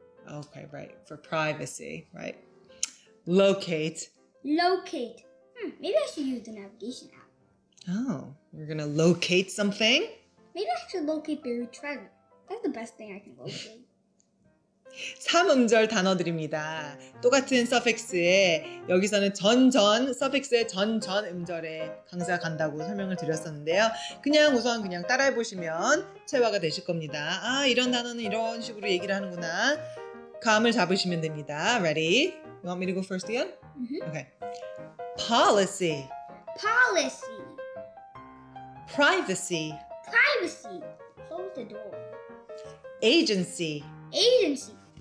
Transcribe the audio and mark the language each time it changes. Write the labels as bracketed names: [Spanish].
[English] Okay, right. For privacy, right? Locate. Locate. Maybe I should use the navigation app. Oh, you're gonna locate something? Maybe I should locate buried treasure. That's the best thing I can locate. [Korean] 삼음절 단어들입니다. 똑같은 서픽스에 여기서는 전전 서픽스의 전전 음절에 강세가 간다고 설명을 드렸었는데요. 그냥 우선 그냥 따라해 보시면 체화가 되실 겁니다. 아, 이런 단어는 이런 식으로 얘기를 하는구나. 감을 잡으시면 됩니다. [English] Ready? You want me to go first again? Mm-hmm. Okay. Policy. Policy. Privacy. Privacy. Close the door. Agency. Agency.